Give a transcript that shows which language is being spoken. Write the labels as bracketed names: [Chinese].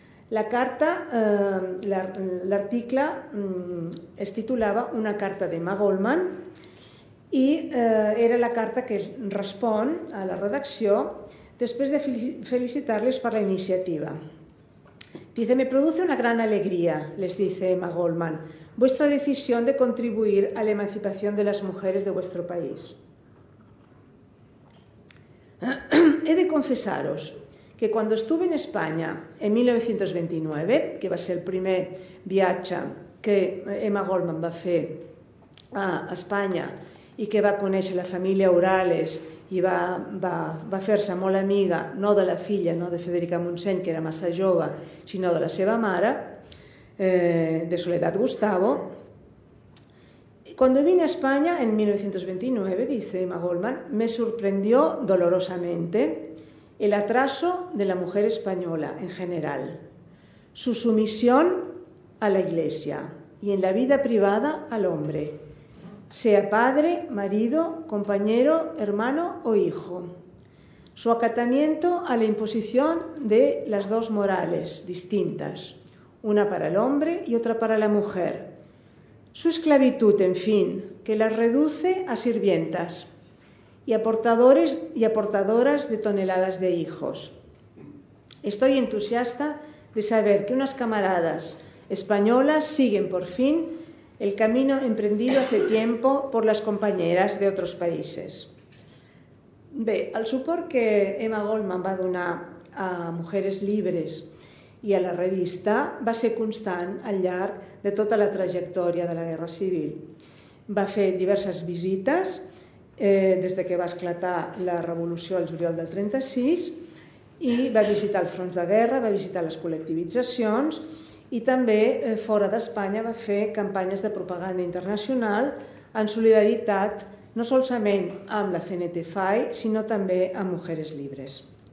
[Catalan] La carta, l'article es titulava «Una carta d'Emma Goldman» i era la carta que respon a la redacció després de felicitar-les per la iniciativa. [Spanish] Dice: «Me produce una gran alegría», les dice Emma Goldman, «vuestra decisión de contribuir a la emancipación de las mujeres de vuestro país. He de confesaros que cuando estuve en España en 1929, [Catalan] que va ser el primer viatge que Emma Goldman va fer a Espanya i que va conèixer la família Orales i va fer-se molt amiga, no de la filla, no de Federica Montseny, que era massa jove, sinó de la seva mare, de Soledad Gustavo. [Spanish] Cuando vine a España en 1929, dice Emma Goldman, me sorprendió dolorosamente el atraso de la mujer española en general, su sumisión a la Iglesia y en la vida privada al hombre, sea padre, marido, compañero, hermano o hijo. Su acatamiento a la imposición de las dos morales distintas, una para el hombre y otra para la mujer. Su esclavitud, en fin, que las reduce a sirvientas y a portadores y a portadoras de toneladas de hijos. Estoy entusiasta de saber que unas camaradas españolas siguen por fin el camino emprendido hace tiempo por las compañeras de otros países. [Catalan] Bé, el suport que Emma Goldman va donar a Mujeres Libres i a la revista va ser constant al llarg de tota la trajectòria de la Guerra Civil. Va fer diverses visites des de que va esclatar la revolució al juliol del 36 i va visitar els fronts de guerra, va visitar les col·lectivitzacions i també fora d'Espanya va fer campanyes de propaganda internacional en solidaritat no solament amb la CNT-FAI sinó també amb Mujeres Libres.